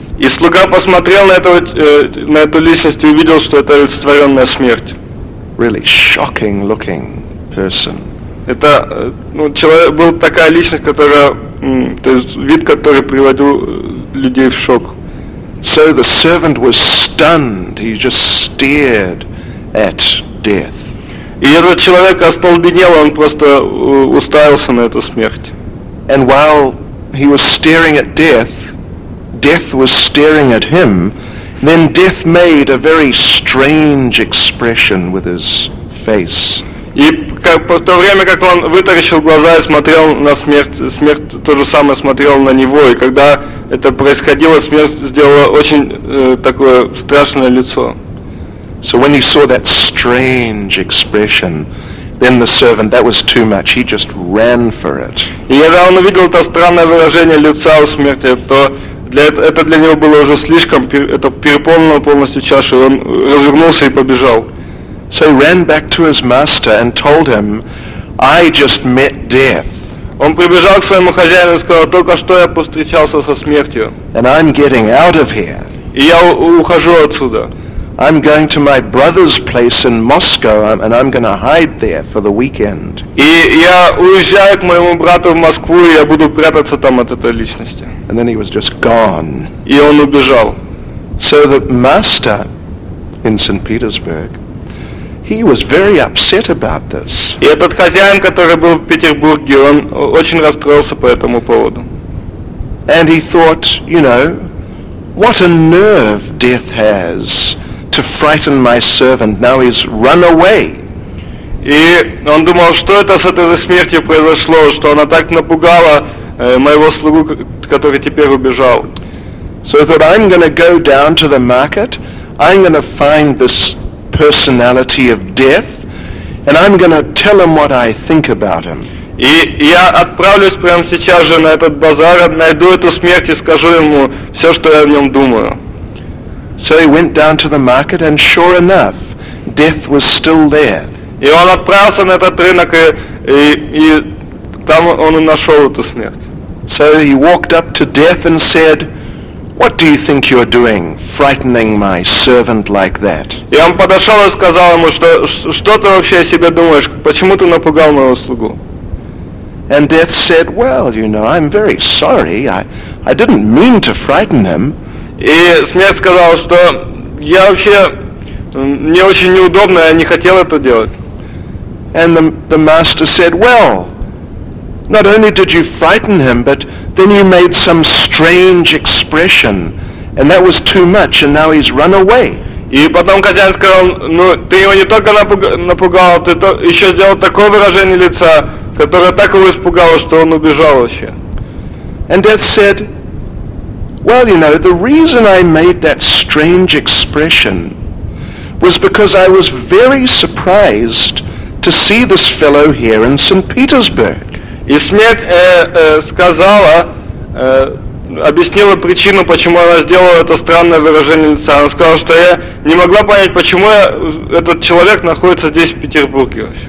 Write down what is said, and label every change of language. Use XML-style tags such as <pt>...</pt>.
<ru>И слуга посмотрел на эту личность и увидел, что это олицетворенная смерть.</ru> <en>Really shocking looking person.</en> <ru>Это ну, человек был такая личность, которая то есть вид, который приводил людей в шок.</ru> <en>So the servant was stunned. He just stared at death.</en> <ru>И этот человек остолбенел, он просто уставился на эту смерть.</ru> <en>And while he was staring at death, death was staring at him. Then death made a very strange expression with his face.</en> <ru>И как в то время, как он вытаращил глаза и смотрел на смерть, смерть то же самое смотрела на него. И когда это происходило, смерть сделала очень такое страшное лицо.</ru> <en>So when he saw that strange expression, then the servant, that was too much. He just ran for it.</en> <ru>И когда он увидел это странное выражение лица у смерти, то для это для него было уже слишком, это переполнило полностью чашу. Он развернулся и побежал.</ru> <en>So he ran back to his master and told him, "I just met death."</en> <ru>Он прибежал к своему хозяину и сказал: "Только что я повстречался со смертью."</ru> <en>And I'm getting out of here.</en> <ru>И я ухожу отсюда.</ru> <en>I'm going to my brother's place in Moscow, and I'm going to hide there for the weekend.</en> <ru>И я уезжаю к моему брату в Москву, и я буду прятаться там от этой личности.</ru> <en>And then he was just gone.</en> <ru>И он убежал.</ru> <en>So the master in St. Petersburg, he was very upset about this.</en> <ru>И этот хозяин, который был в Петербурге, он очень расстроился по этому поводу.</ru> <en>And he thought, you know, what a nerve death has to frighten my servant. Now he's run away.</en> <ru>И он думал, что это с этой смертью произошло, что она так напугала моего слугу, который теперь убежал.</ru> <en>So he thought, I'm going to go down to the market. I'm going to find this personality of death, and I'm going to tell him what I think about him.</en> <ru>И я отправлюсь прямо сейчас же на этот базар, найду эту смерть и скажу ему все, что я о нем думаю.</ru> <en>So he went down to the market, and sure enough, death was still there.</en> <ru>И он отправился на этот рынок, и там он и нашел эту смерть.</ru> <en>So he walked up to death and said, "What do you think you're doing, frightening my servant like that?"</en> <ru>И он подошел и сказал ему, что что ты вообще о себе думаешь? Почему ты напугал моего слугу?</ru> <en>And death said, "Well, you know, I'm very sorry. I didn't mean to frighten him."</en> <ru>И смерть сказала, что я вообще мне очень неудобно, я не хотел это делать.</ru> <en>And the master said, "Well, not only did you frighten him, but then you made some strange expression, and that was too much, and now he's run away."</en> <ru>И потом хозяин сказал, ну ты его не только напугал, ты то еще сделал такое выражение лица, которое так его испугало, что он убежал вообще.</ru> <en>And death said, "Well, you know, the reason I made that strange expression was because I was very surprised to see this fellow here in St. Petersburg."</en> <ru>И смерть сказала, объяснила причину, почему она сделала это странное выражение лица. Она сказала, что я не могла понять, почему этот человек находится здесь, в Петербурге.</ru>